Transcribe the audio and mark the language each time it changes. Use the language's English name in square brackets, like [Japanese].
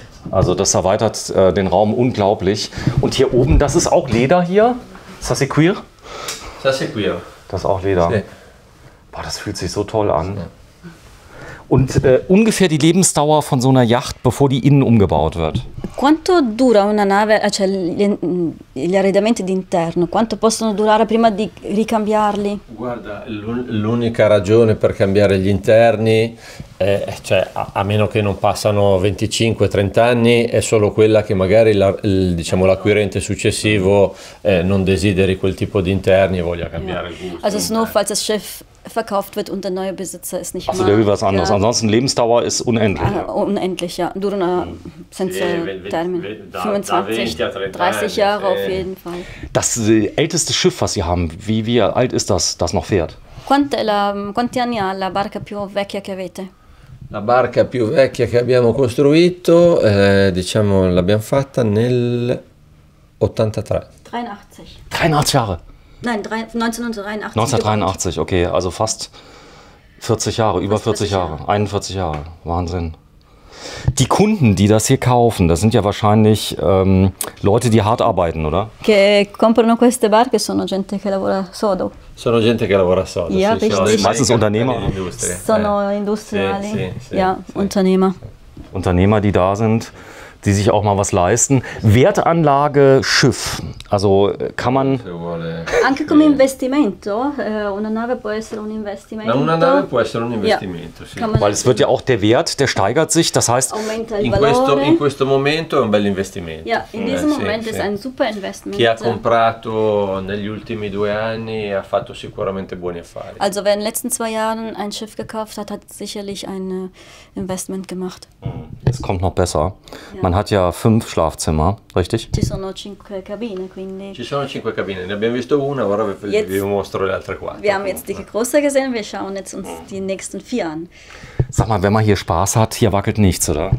[German] Also das erweitert den Raum unglaublich. Und hier oben, das ist auch Leder hier. [French] Ça c'est cuir? Ça c'est cuir. [German] Das ist auch Leder. [Italian] Si. [German] Boah, das fühlt sich so toll an. Si. Und ungefähr die Lebensdauer von so einer Yacht, bevor die innen umgebaut wird. [Italian] Quanto dura una nave, cioè gli arredamenti d'interno, quanto possono durare prima di ricambiarli? Guarda, l'unica ragione per cambiare gli interni, cioè a meno che non passano 25-30 anni, è solo quella che magari diciamo l'acquirente successivo non desideri quel tipo di interni e voglia cambiare il gusto. [German] Also, nur falls das Schiff verkauft wird und der neue Besitzer ist nicht mehr. Also, der will was anderes. Ansonsten, Lebensdauer ist unendlich. Unendlich, ja. [Italian] Dura una senza termine. [German] 25, 30 Jahre auf jeden Fall. Das älteste Schiff, was sie haben, wie alt ist das, das noch fährt? [Italian] Quanti anni ha la barca più vecchia che avete? La barca più vecchia che abbiamo costruito, diciamo, l'abbiamo fatta nel 83. 83. [German] 83 Jahre? Nein, 1983. 1983, okay, also fast 40 Jahre, über 40 Jahre, 41 Jahre, Wahnsinn. Die Kunden, die das hier kaufen, das sind ja wahrscheinlich Leute, die hart arbeiten, oder? [Italian] Che comprano queste barche sono gente che lavora sodo. Sono gente che lavora sodo. [German] Ja, richtig. Meistens Unternehmer. [Italian] Sono industriali. [German] Ja, Unternehmer. Unternehmer, die da sind, die sich auch mal was leisten. Wertanlage Schiff. Also kann man... [Italian] Anche come investimento. Una nave può essere un investimento. Una nave può essere un investimento, sì. [German] Weil es wird ja auch der Wert, der steigert sich. Das heißt, [Italian] in questo momento è un bel investimento. [German] Ja, in diesem Moment ist ein super Investment. [Italian] Chi ha comprato negli ultimi due anni ha fatto sicuramente buoni affari. [German] Also wer in den letzten zwei Jahren ein Schiff gekauft hat, hat sicherlich ein Investment gemacht. Es kommt noch besser. Ja. Man hat ja 5 Schlafzimmer, richtig? [Italian] Ci sono 5 cabine, quindi. Ci sono 5 cabine, ne abbiamo visto una, ora vi mostro le altre 4. [German] Wir haben jetzt die große gesehen, wir schauen jetzt uns die nächsten 4 an. Sag mal, wenn man hier Spaß hat, hier wackelt nichts, oder?